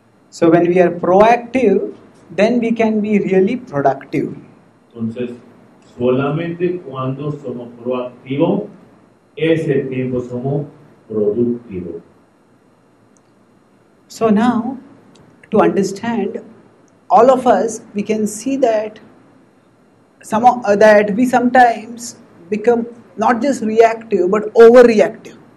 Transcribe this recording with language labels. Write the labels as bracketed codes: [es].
[en] So when we are proactive, then we can be really productive. [es] Entonces, solamente cuando somos proactivos, ese tiempo somos productivos. [en] So now, to understand, all of us, we can see that that we sometimes become not just reactive, but overreactive.